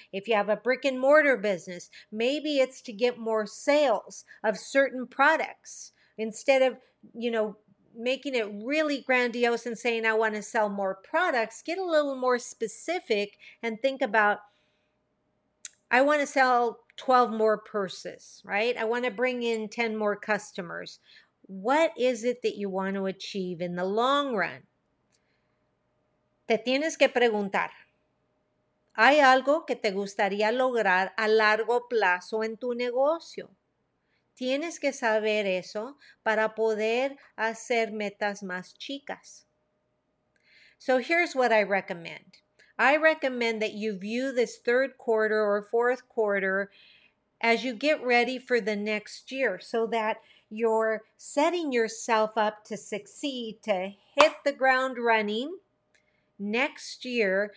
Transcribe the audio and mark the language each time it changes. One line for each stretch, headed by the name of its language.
English: If you have a brick and mortar business, maybe it's to get more sales of certain products instead of, making it really grandiose and saying, I want to sell more products. Get a little more specific and think about, I want to sell 12 more purses, right? I want to bring in 10 more customers. What is it that you want to achieve in the long run?
Spanish: Te tienes que preguntar, ¿hay algo que te gustaría lograr a largo plazo en tu negocio? Tienes que saber eso para poder hacer metas más chicas.
English: So here's what I recommend. I recommend that you view this third quarter or fourth quarter as you get ready for the next year so that you're setting yourself up to succeed, to hit the ground running next year.